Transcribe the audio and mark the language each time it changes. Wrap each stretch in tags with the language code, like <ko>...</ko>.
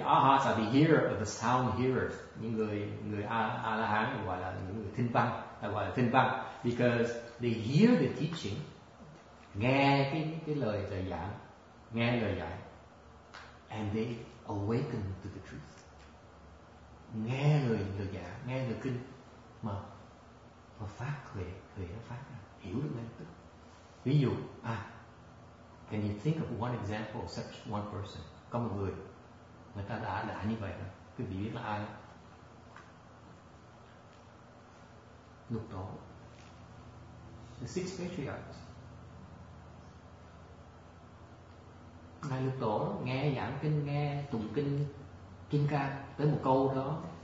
<en>Ahas are the hearer of the sound hearers.</en> <vi>Những người A-la-hán gọi là những người thinh văn, gọi là thinh văn.</vi> <en>Because they hear the teaching,</en> <vi>nghe cái lời dạy giảng, nghe lời dạy,</vi> <en>and they awaken to the truth.</en> <vi>Nghe lời giảng, nghe lời kinh, mà phát huệ nó phát ra, hiểu được ngay tức. Ví dụ,</vi> <en>can you think of one example of such one person?</en> <vi>Có một người, người ta đã như vậy rồi. Quý vị biết là ai?</vi> <en>Lục tổ. The six patriarchs.</en> <vi>Ngài Lục tổ nghe giảng kinh, nghe tụng kinh, kinh ca tới một câu đó.</vi>